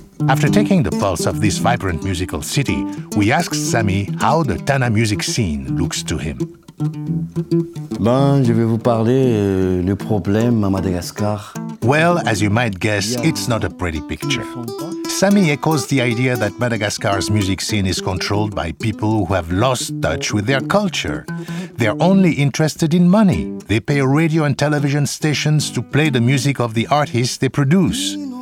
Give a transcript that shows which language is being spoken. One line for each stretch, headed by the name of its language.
English: After taking the pulse of this vibrant musical city, we asked Sami how the Tana music scene looks to him.
French: Ben, je vais vous parler le problème à Madagascar.
English: Well, as you might guess, it's not a pretty picture. Sami echoes the idea that Madagascar's music scene is controlled by people who have lost touch with their culture. They're only interested in money. They pay radio and television stations to play the music of the artists they produce.